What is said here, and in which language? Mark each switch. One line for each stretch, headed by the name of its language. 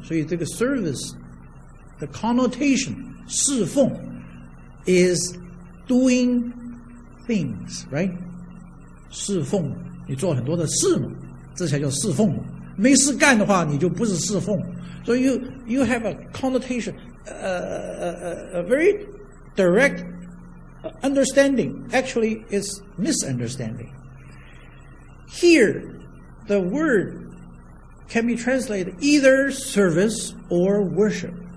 Chinese: 所以这个
English: service, the connotation,
Chinese: 侍奉,
English: is doing things, right?
Chinese: 侍奉, 你做很多的事嘛, 这才叫侍奉嘛. 没事干的话, 你就不是侍奉.
English: So you have a connotation, a very direct understanding. Actually, it's misunderstanding. Here, the word can be translated either service or worship.